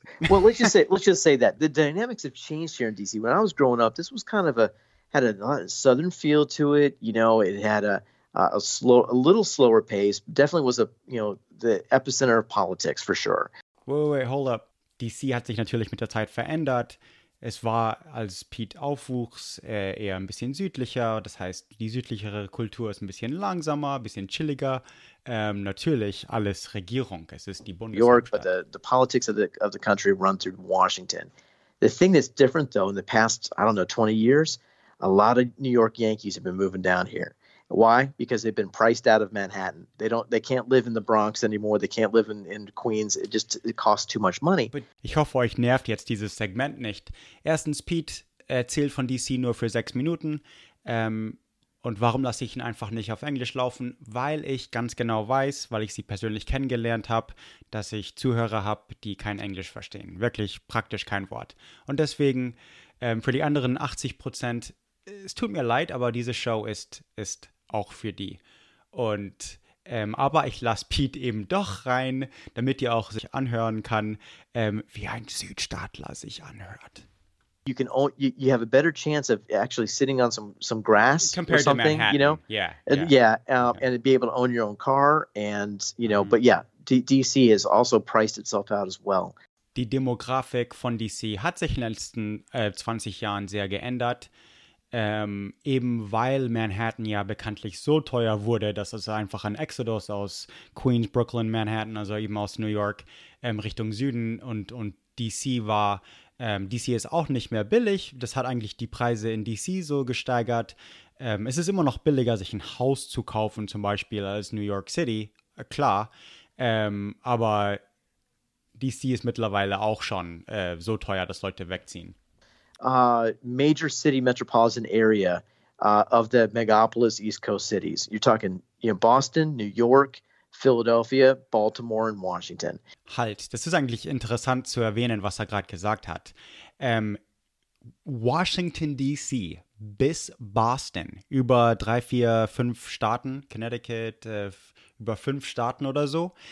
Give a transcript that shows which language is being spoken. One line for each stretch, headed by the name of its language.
English: Let's just say that the dynamics have changed here in D.C. When I was growing up, this was kind of had a southern feel to it. You know, it had a little slower pace. Definitely was the epicenter of politics for sure. Wait, hold up.
German: D.C. hat sich natürlich mit der Zeit verändert. Es war, als Piet aufwuchs, eher ein bisschen südlicher. Das heißt, die südlichere Kultur ist ein bisschen langsamer, ein bisschen chilliger. Natürlich alles Regierung. Es ist die Bundeshauptstadt.
English: New York, but the politics of the country run through Washington. The thing that's different, though, in the past, I don't know, 20 years, a lot of New York Yankees have been moving down here. Why? Because they've been priced out of Manhattan. They can't live in the Bronx anymore. They can't live in Queens. It costs too much money.
German: But ich hoffe, euch nervt jetzt dieses Segment nicht. Erstens, Piet erzählt von DC nur für 6 Minuten. Und warum lasse ich ihn einfach nicht auf Englisch laufen? Weil ich ganz genau weiß, weil ich sie persönlich kennengelernt habe, dass ich Zuhörer habe, die kein Englisch verstehen. Wirklich praktisch kein Wort. Und deswegen für die anderen 80%, es tut mir leid, aber diese Show ist auch für die. Und aber ich lasse Piet eben doch rein, damit ihr auch sich anhören kann, wie ein Südstaatler sich anhört.
English: You can only, you have a better chance of actually sitting on some grass compared or something, to Manhattan. You know? Yeah. And be able to own your own car and, you know, but yeah, DC has also priced itself out as well.
German: Die Demografik von DC hat sich in den letzten 20 Jahren sehr geändert. Eben weil Manhattan ja bekanntlich so teuer wurde, dass es einfach ein Exodus aus Queens, Brooklyn, Manhattan, also eben aus New York Richtung Süden und DC war. DC ist auch nicht mehr billig. Das hat eigentlich die Preise in DC so gesteigert. Es ist immer noch billiger, sich ein Haus zu kaufen, zum Beispiel als New York City, klar. Aber DC ist mittlerweile auch schon so teuer, dass Leute wegziehen.
English: Major city metropolitan area of the megapolis East Coast cities. You're talking, you know, Boston, New York, Philadelphia, Baltimore and Washington.
German: Halt, das ist eigentlich interessant zu erwähnen, was er gerade gesagt hat. Washington D.C. bis Boston über 3, 4, 5 Staaten, Connecticut über 5 Staaten oder so.